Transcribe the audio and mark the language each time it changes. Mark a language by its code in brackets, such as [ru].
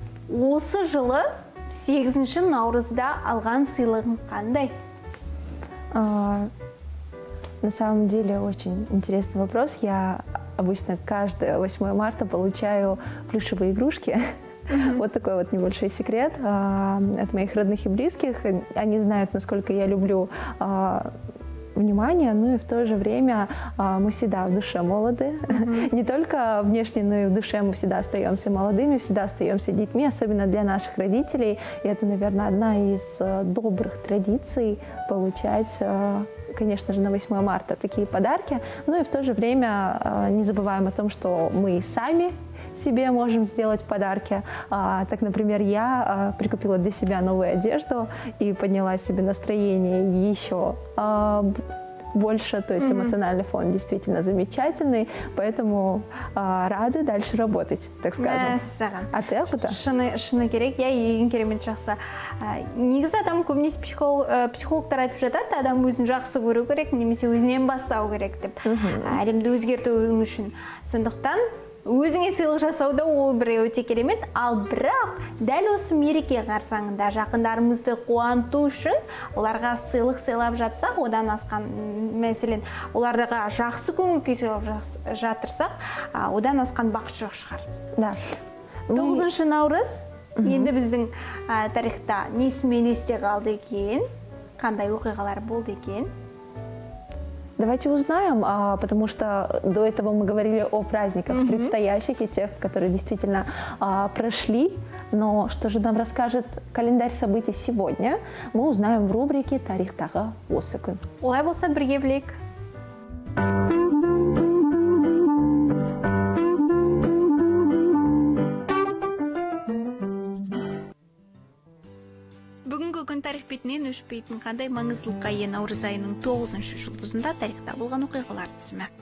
[kk] Осы жылы 8-ші наурызда алған сыйлығың қандай? [ru] На самом деле очень интересный вопрос. Я обычно каждое 8 марта получаю плюшевые игрушки. Вот такой вот небольшой секрет от моих родных и близких. Они знают, насколько я люблю внимание, ну и в то же время мы всегда в душе молоды. Не только внешне, но и в душе мы всегда остаемся молодыми, всегда остаемся детьми, особенно для наших родителей. И это, наверное, одна из добрых традиций получать, конечно же, на 8 марта такие подарки. Ну и в то же время не забываем о том, что мы и сами себе можем сделать подарки. Так, например, я прикупила для себя новую одежду и подняла себе настроение еще больше. То есть эмоциональный фон действительно замечательный. Поэтому рады дальше работать, так скажем. А ты опыта? [kk] Шыны керек, я ең керемет жақсы. Негізі адам көбінесе психологтар айтып жатады, адам өзін жақсы көру керек, немесе өзінен бастау керек деп. Әлемді өзгертуің үшін. Сондықтан өзіңе сыйлық жасауда ол біре өте керемет, ал бірақ дәл осы мереке қарсаңында жақындарымызды қуанту үшін оларға сыйлық сыйлап жатсақ, одан асқан, мәселен, оларға жақсы көңіл күй сыйлап жатырсақ, одан асқан бақыт жоқ шығар. [ru] Да. [kk] 9-ші наурыз енді біздің тарихта несімен есте қалды екен? қандай оқиғалар болды екен? [ru] Давайте узнаем, потому что до этого мы говорили о праздниках предстоящих и тех, которые действительно прошли. Но что же нам расскажет календарь событий сегодня, мы узнаем в рубрике «Тарихтағы осы күн». [kk] Олай болса, бірге білейік. Тарих бетінен өшпейтін қандай маңыздылыққа ие наурыз айының 9-ші жұлдызында тарихта болған оқиғалар тізімі.